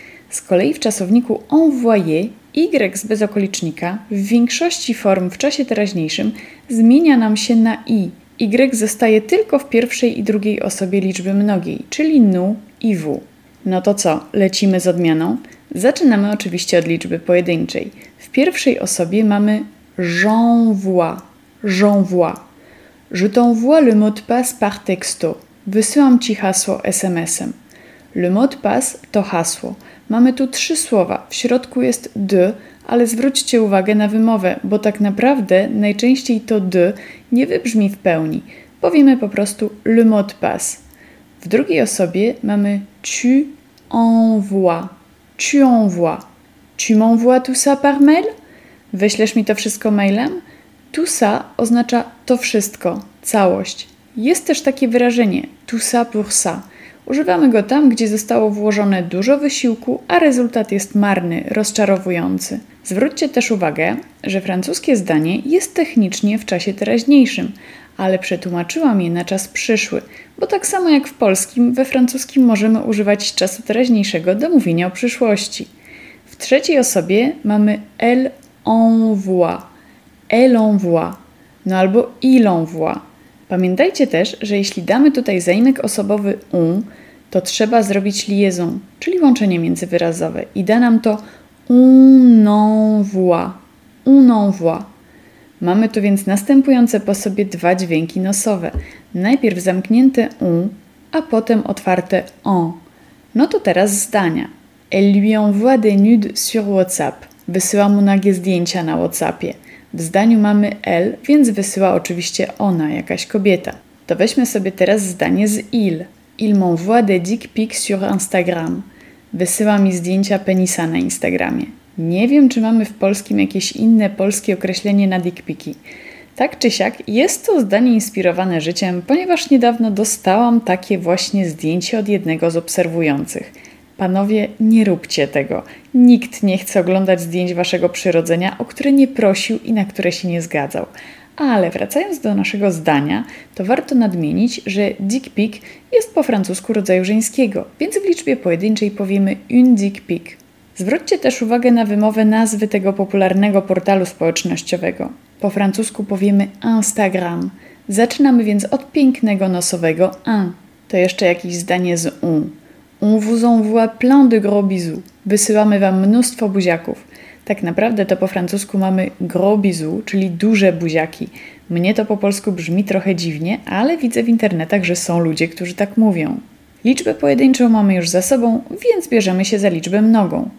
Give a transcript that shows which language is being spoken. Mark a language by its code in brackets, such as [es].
[pl] Z kolei w czasowniku envoyer, Y z bezokolicznika w większości form w czasie teraźniejszym zmienia nam się na I. Y zostaje tylko w pierwszej i drugiej osobie liczby mnogiej, czyli nous i vous. No to co, lecimy z odmianą? Zaczynamy oczywiście od liczby pojedynczej. W pierwszej osobie mamy [fr] j'envoie, j'envoie. Je t'envoie le mot de passe par texto. [pl] Wysyłam Ci hasło SMS-em. [fr] Le mot de passe [pl] to hasło. Mamy tu trzy słowa. W środku jest de, ale zwróćcie uwagę na wymowę, bo tak naprawdę najczęściej to de nie wybrzmi w pełni. Powiemy po prostu [fr] le mot de passe. [pl] W drugiej osobie mamy tu envoie. [fr] Tu envoie. Tu m'envoies tout ça par mail? [pl] Wyślesz mi to wszystko mailem? [fr] Tout ça [pl] oznacza to wszystko, całość. Jest też takie wyrażenie, [fr] tout ça pour ça. [pl] Używamy go tam, gdzie zostało włożone dużo wysiłku, a rezultat jest marny, rozczarowujący. Zwróćcie też uwagę, że francuskie zdanie jest technicznie w czasie teraźniejszym, ale przetłumaczyłam je na czas przyszły, bo tak samo jak w polskim, we francuskim możemy używać czasu teraźniejszego do mówienia o przyszłości. W trzeciej osobie mamy [fr] elle envoie. Elle envoie, [pl] no albo [fr] il envoie. [pl] Pamiętajcie też, że jeśli damy tutaj zaimek osobowy on, to trzeba zrobić liaison, czyli łączenie międzywyrazowe i da nam to [fr] on envoie, on envoie. [pl] Mamy tu więc następujące po sobie dwa dźwięki nosowe. Najpierw zamknięte on, a potem otwarte on. No to teraz zdania. [fr] Elle lui envoie des nudes sur WhatsApp. [pl] Wysyła mu nagie zdjęcia na WhatsAppie. W zdaniu mamy elle, więc wysyła oczywiście ona, jakaś kobieta. To weźmy sobie teraz zdanie z il. [fr] Il m'envoie des dick pics sur Instagram. [pl] Wysyła mi zdjęcia penisa na Instagramie. Nie wiem, czy mamy w polskim jakieś inne polskie określenie na dick pici. Tak czy siak, jest to zdanie inspirowane życiem, ponieważ niedawno dostałam takie właśnie zdjęcie od jednego z obserwujących. Panowie, nie róbcie tego. Nikt nie chce oglądać zdjęć waszego przyrodzenia, o które nie prosił i na które się nie zgadzał. Ale wracając do naszego zdania, to warto nadmienić, że dick pic jest po francusku rodzaju żeńskiego, więc w liczbie pojedynczej powiemy [fr] une dick pic. [pl] Zwróćcie też uwagę na wymowę nazwy tego popularnego portalu społecznościowego. Po francusku powiemy Instagram. Zaczynamy więc od pięknego nosowego un. To jeszcze jakieś zdanie z un. [fr] On vous envoie plein de gros bisous. [pl] Wysyłamy wam mnóstwo buziaków. Tak naprawdę to po francusku mamy [fr] gros bisous, [pl] czyli duże buziaki. Mnie to po polsku brzmi trochę dziwnie, ale widzę w internetach, że są ludzie, którzy tak mówią. Liczbę pojedynczą mamy już za sobą, więc bierzemy się za liczbę mnogą.